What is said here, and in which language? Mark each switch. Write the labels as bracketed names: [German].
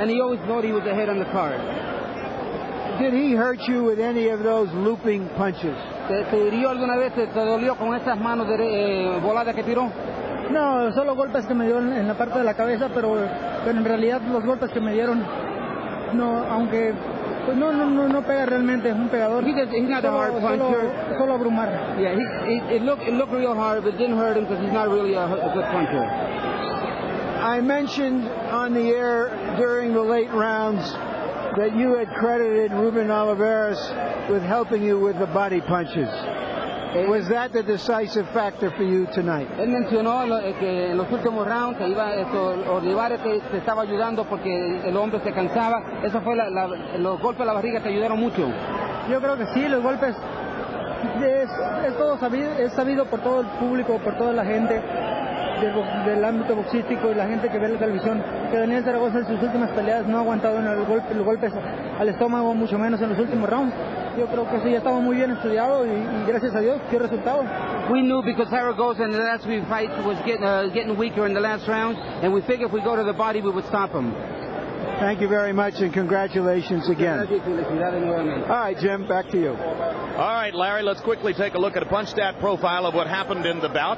[English] And he always thought he was ahead on the card. Did he hurt you with any of those looping punches? [Spanish] ¿Te hirió alguna vez? ¿Te dolió con esas manos voladas que tiró? No, solo golpes que me dio en la parte de la cabeza, pero en realidad los golpes que me dieron no, aunque pues no pega realmente, es un pegador. [English] He's not a hard puncher. [Spanish] Solo abrumar. [English] Yeah, it looked real hard, but didn't hurt him because he's not really a good puncher. I mentioned on the air during the late rounds that you had credited Ruben Olivares with helping you with the body punches. Was that the decisive factor for you tonight? [Spanish] Él mencionó que en los últimos rounds que iba esto Olivares te estaba ayudando porque el hombre se cansaba. Eso fue los golpes a la barriga te ayudaron mucho. Yo creo que sí, los golpes es todo sabido, es sabido por todo el público, por toda la gente del ámbito boxístico y la gente que ve la televisión que Daniel Zaragoza en sus últimas peleas no ha aguantado en los golpes al estómago, mucho menos en los últimos rounds. Yo creo que sí, ya estaba muy bien estudiado y gracias a Dios, qué resultado. [English] We knew because Zaragoza in the last few fights was getting weaker in the last round, and we figured if we go to the body, we would stop him. Thank you very much, and congratulations again. All right, Jim, back to you. All right, Larry, let's quickly take a look at a punch stat profile of what happened in the bout.